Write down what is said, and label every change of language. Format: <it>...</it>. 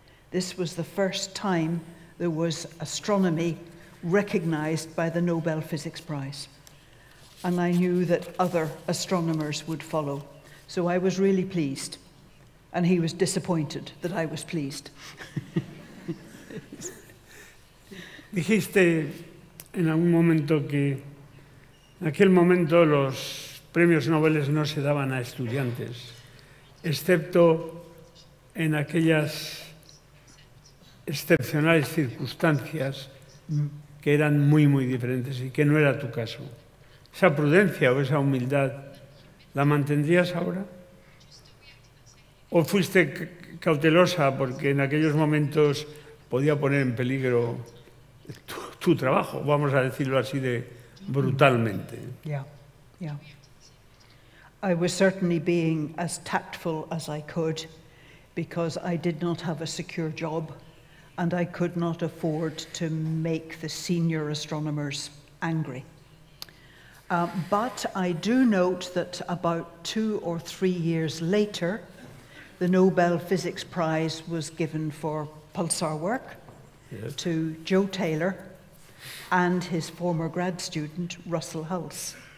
<en>This was the first time there was astronomy recognized by the Nobel Physics Prize. And I knew that other astronomers would follow. So I was really pleased. And he was disappointed that I was pleased.</en> <es>Dijiste en algún momento que en aquel momento los premios Nobel no se daban a estudiantes, excepto en aquellas excepcionales circunstancias que eran muy, muy diferentes y que no era tu caso. ¿Esa prudencia o esa humildad la mantendrías ahora? ¿O fuiste cautelosa porque en aquellos momentos podía poner en peligro tu trabajo, vamos a decirlo así de brutalmente?</es> <en>Yeah, yeah. I was certainly being as tactful as I could because I did not have a secure job and I could not afford to make the senior astronomers angry. But I do note that about 2 or 3 years later, the Nobel Physics Prize was given for pulsar work, yes, to Joe Taylor and his former grad student, Russell Hulse.</en>